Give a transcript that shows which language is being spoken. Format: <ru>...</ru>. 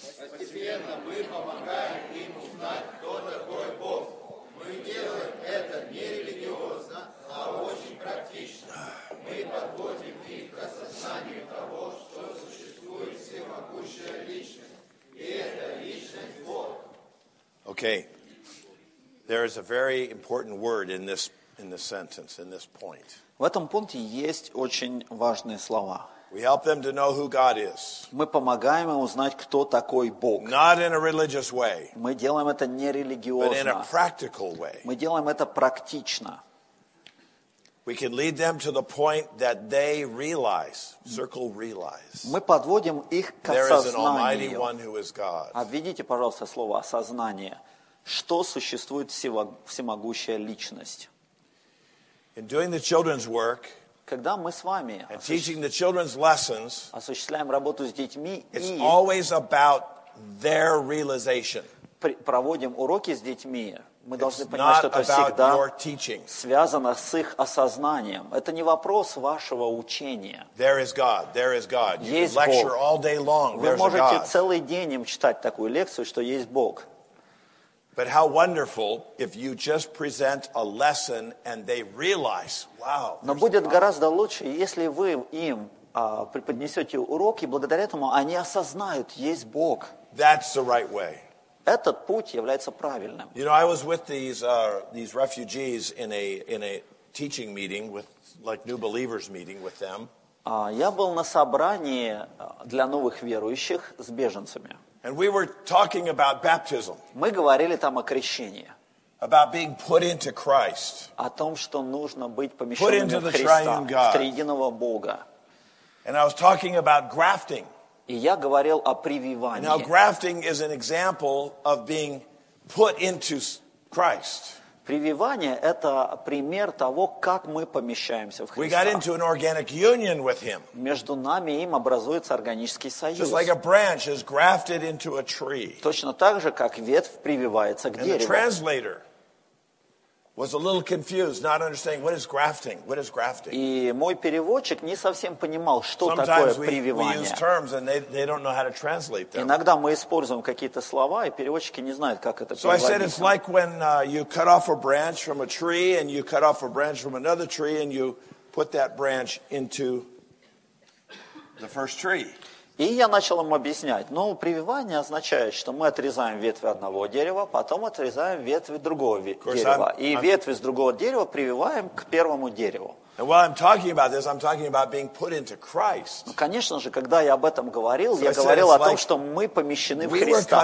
<ru>Постепенно мы помогаем им узнать, кто такой Бог. Мы делаем это не религиозно, а очень практично. Мы подводим их к осознанию того, что существует всемогущая личность. И это личность Бог.</ru> <en>Okay. There is a very important word in this sentence, in this point.</en> <ru>В этом пункте есть очень важные слова.</ru> <en>We help them to know who God is.</en> <ru>Мы помогаем им узнать, кто такой Бог.</ru> <en>Not in a religious way.</en> <ru>Мы делаем это не религиозно.</ru> <en>But in a practical way.</en> <ru>Мы делаем это практично.</ru> <en>We can lead them to the point that they realize, circle realize.</en> <ru>Мы подводим их к осознанию.</ru> <en>There is an Almighty One who is God.</en> <ru>Обведите, пожалуйста, слово осознание. Что существует всемогущая личность?</ru> <en>In doing the children's work.</en> <ru>Когда мы с вами осуществляем работу с детьми,</ru> <en>it's always about their realization.</en> <ru>проводим уроки с детьми, мы должны понимать, что это всегда связано с их осознанием. Это не вопрос вашего учения.</ru> <en>There is God, there is God.</en> <ru>Есть Бог.</ru> <en>Lecture all day long.</en> <ru>Вы можете целый день им читать такую лекцию, что есть Бог.</ru> <en>But how wonderful if you just present a lesson and they realize, wow.</en> <ru>Но будет гораздо лучше, если вы им преподнесете урок, и благодаря этому они осознают, есть Бог.</ru> <en>That's the right way.</en> <ru>Этот путь является правильным.</ru> <en>You know, I was with these refugees in a teaching meeting with like new believers meeting with them.</en> <ru>Я был на собрании для новых верующих с беженцами.</ru> <en>And we were talking about baptism.</en> <ru>Мы говорили там о крещении.</ru> <en>About being put into Christ.</en> <ru>О том, что нужно быть помещенным в Христа, в триединого Бога.</ru> <en>And I was talking about grafting.</en> <ru>И я говорил о прививании.</ru> <en>Now grafting is an example of being put into Christ.</en> <ru>Прививание – это пример того, как мы помещаемся в Христа.</ru> <en>We got into an organic union with him.</en> <ru>Между нами и им образуется органический союз.</ru> <en>Just like a branch is grafted into a tree.</en> <ru>Точно так же, как ветвь прививается к дереву.</ru> <en>And the translator was a little confused, not understanding what is grafting. What is grafting?</en> <ru>И мой переводчик не совсем понимал, что такое прививание.</ru> <en>Sometimes we use terms and they don't know how to translate them.</en> <ru>Иногда мы используем какие-то слова, и переводчики не знают, как это переводится.</ru> <en>So I said it's like when you cut off a branch from a tree and you cut off a branch from another tree and you put that branch into the first tree.</en> <ru>И я начал им объяснять. Ну, прививание означает, что мы отрезаем ветви одного дерева, потом отрезаем ветви другого дерева. И ветви с другого дерева прививаем к первому дереву.</ru> <en>And while I'm talking about this, I'm talking about being put into Christ.</en> <ru>Ну, конечно же, когда я об этом говорил, я говорил о том, что мы помещены в Христа.</ru>